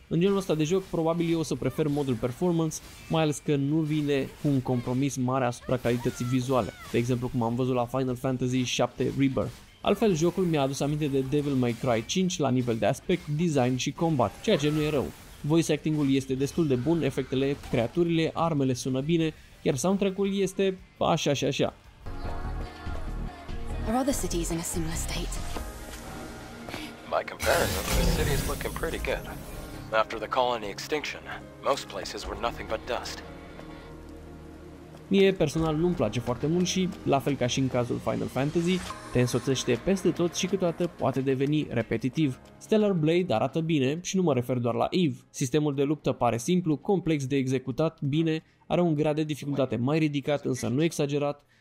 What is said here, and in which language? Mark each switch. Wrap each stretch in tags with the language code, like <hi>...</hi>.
<ro>În genul ăsta de joc, probabil eu o să prefer modul performance, mai ales că nu vine cu un compromis mare asupra calității vizuale, de exemplu cum am văzut la Final Fantasy 7 Rebirth. Altfel, jocul mi-a adus aminte de Devil May Cry 5 la nivel de aspect, design și combat, ceea ce nu e rău. Voice acting-ul este destul de bun, efectele, creaturile, armele sună bine, iar soundtrack-ul este așa și așa.</ro> <en>Are other cities in a similar state? By comparison, the city is looking pretty good. After the colony extinction, most places were nothing but dust.</en> <ro>Mie personal nu-mi place foarte mult și, la fel ca și în cazul Final Fantasy, te însoțește peste tot și câteodată poate deveni repetitiv. Stellar Blade arată bine și nu mă refer doar la Eve. Sistemul de luptă pare simplu, complex de executat, bine, are un grad de dificultate mai ridicat, însă nu exagerat.</ro>